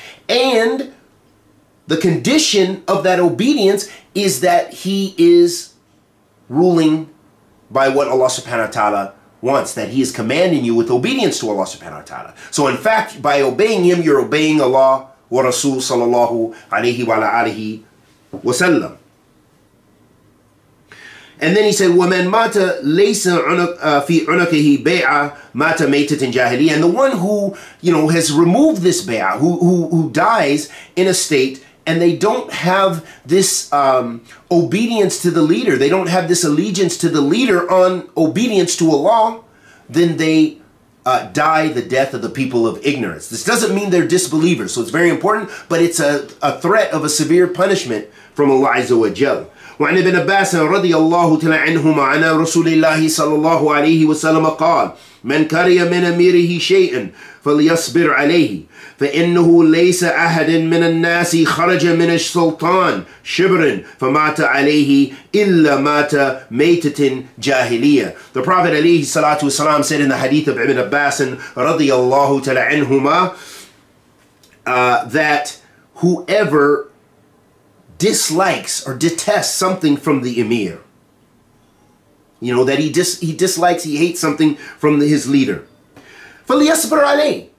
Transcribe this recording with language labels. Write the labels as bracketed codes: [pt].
[en] And the condition of that obedience is that he is ruling by what Allah subhanahu wa ta'ala wants, that he is commanding you with obedience to Allah subhanahu wa ta'ala. So in fact, by obeying him, you're obeying Allah wa Rasul sallallahu alayhi wa alayhi wa sallam. [ar] And then he said, وَمَنْ مَاتَ لَيْسَ فِي عُنَكَهِ بَيْعَ مَاتَ مَيْتَةٍ جَاهِلِيَةٍ. [en] And the one who, you know, has removed this bay'ah, who dies in a state, and they don't have this obedience to the leader, they don't have this allegiance to the leader on obedience to Allah, then they die the death of the people of ignorance. This doesn't mean they're disbelievers, so it's very important, but it's a threat of a severe punishment from Allah Azza wa Jalla. [ar] وعن ابن عباس رضي الله تعالى عنهما عن رسول الله صلى الله عليه وسلم قال من كره من أميره شيئا فليصبر عليه فإنه ليس أحد من الناس خرج من السلطان شبرا فمات عليه إلا مات ميتة جاهلية. [en] The Prophet عليه الصلاة والسلام said in the hadith of Ibn Abbas رضي الله تعالى عنهما that whoever dislikes or detests something from the emir, you know, that he hates something from his leader, [ar] فَلْيَصْبَرْ عَلَيْهِ.